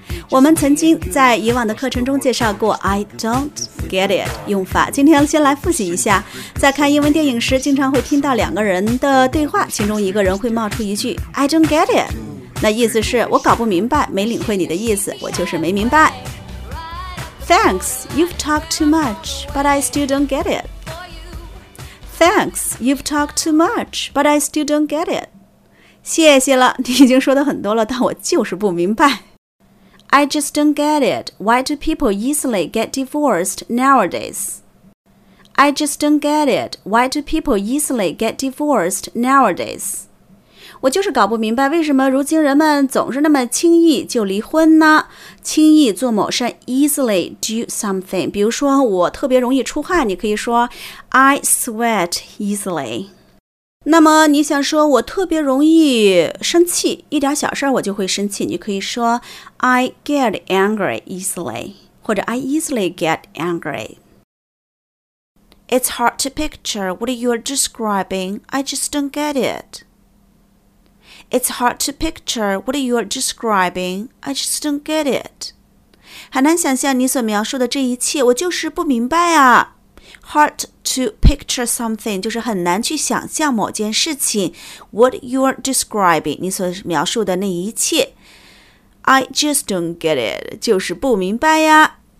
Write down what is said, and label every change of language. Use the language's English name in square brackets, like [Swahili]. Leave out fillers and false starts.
[Chinese] 我们曾经在以往的课程中介绍过 [English] I don't get it [Chinese] 用法，今天先来复习一下。在看英文电影时，经常会听到两个人的对话，其中一个人会冒出一句 [English] I don't get it， [Chinese] 那意思是我搞不明白，没领会你的意思，我就是没明白。 [English] Thanks, you've talked too much, but I still don't get it. Thanks, you've talked too much, but I still don't get it. [Chinese] 谢谢了，你已经说的很多了，但我就是不明白。 [English] I just don't get it. Why do people easily get divorced nowadays? I just don't get it. Why do people easily get divorced nowadays? [Chinese] 我就是搞不明白，为什么如今人们总是那么轻易就离婚呢？轻易做某事 [English] easily do something， [Chinese] 比如说我特别容易出汗，你可以说 [English] I sweat easily。 [Chinese] 那么你想说我特别容易生气，一点小事我就会生气，你可以说 [English] I get angry easily， [Chinese] 或者 [English] I easily get angry。 It's hard to picture what you're describing. I just don't get itIt's hard to picture what you're describing. I just don't get it. [Chinese] 很难想象你所描述的这一切，我就是不明白啊。 [English] Hard to picture something [Chinese] 就是很难去想象某件事情。 [English] What you're describing [Chinese] 你所描述的那一切。 [English] I just don't get it [Chinese] 就是不明白呀。